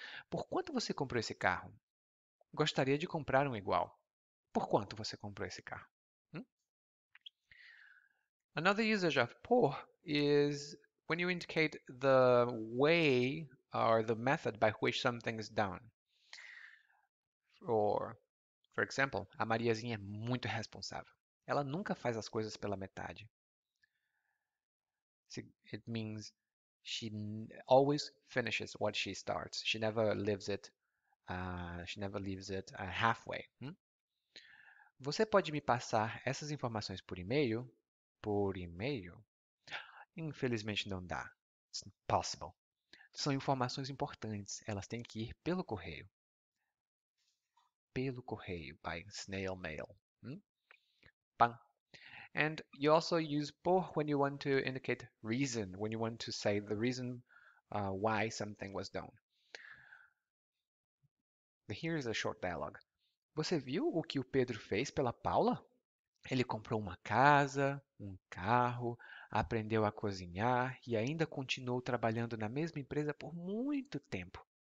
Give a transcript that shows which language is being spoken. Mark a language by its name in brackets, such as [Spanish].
[Portuguese] Por quanto você comprou esse carro? Gostaria de comprar igual. Por quanto você comprou esse carro? [English] Another usage of por is when you indicate the way or the method by which something is done. Or, for example, [Portuguese] a Mariazinha é muito responsável. Ela nunca faz as coisas pela metade. [English] It means she always finishes what she starts. She never leaves it. She never leaves it halfway. [Portuguese] Você pode me passar essas informações por e-mail? Por e-mail? Infelizmente não dá. [English] It's impossible. [Portuguese] São informações importantes. Elas têm que ir pelo correio. Pelo correio, [English] by snail mail. Pan. And you also use por when you want to indicate reason, when you want to say the reason why something was done. Here is a short dialogue. [Portuguese] Você viu o que o Pedro fez pela Paula? Ele comprou uma casa, um carro, aprendeu a cozinhar e ainda continuou trabalhando na mesma empresa por muito tempo.